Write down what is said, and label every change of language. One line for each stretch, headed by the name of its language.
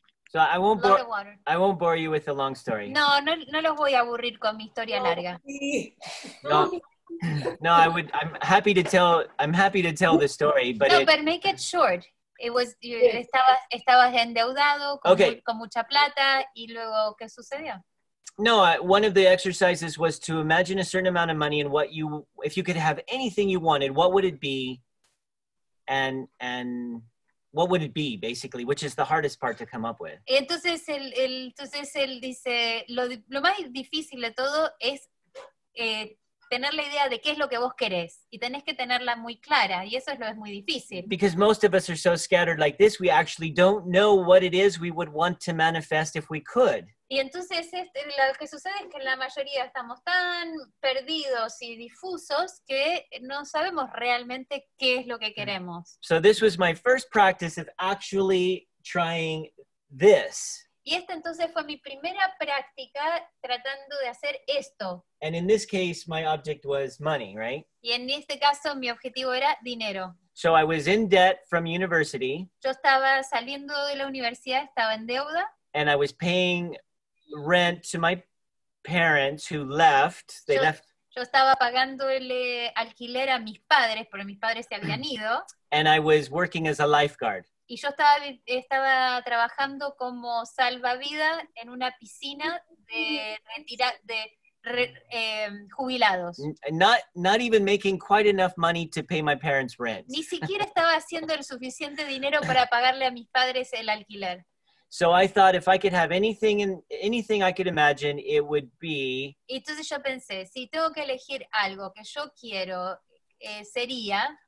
English: So I won't bore. I won't bore you with a long story.
Spanish: No, los voy a aburrir con mi historia larga.
English: No. No, I would. I'm happy to tell the story, but no. But make it short. It was you.
Spanish: Estabas endeudado con mucha plata, y luego qué sucedió?
English: No, one of the exercises was to imagine a certain amount of money and what you, if you could have anything you wanted, what would it be? And what would it be, basically, which is the hardest part to come up with.
Spanish: Entonces él dice, lo más difícil de todo es tener la idea de qué es lo que vos querés. Y tenés que tenerla muy clara, y eso es muy difícil.
English: Because most of us are so scattered like this, we actually don't know what it is we would want to manifest if we could.
Spanish: Y entonces lo que sucede es que la mayoría estamos tan perdidos y difusos que no sabemos realmente qué es lo que queremos.
English: So this was my first practice of actually trying this.
Spanish: Y esta entonces fue mi primera práctica tratando de hacer esto.
English: And in this case, my object was money, right?
Spanish: Y en este caso mi objetivo era dinero.
English: So I was in debt from university.
Spanish: Yo estaba saliendo de la universidad, estaba en deuda.
English: and I was paying rent to my parents who left. They left.
Spanish: Yo estaba pagándole alquiler a mis padres, pero mis padres se habían ido.
English: And I was working as a lifeguard.
Spanish: Y yo estaba trabajando como salvavidas en una piscina de jubilados.
English: Not even making quite enough money to pay my parents' rent.
Spanish: Ni siquiera estaba haciendo el suficiente dinero para pagarle a mis padres el alquiler.
English: So I thought if I could have anything I could imagine, it would be.
Spanish: Entonces yo pensé, si tengo que elegir algo que yo quiero, sería.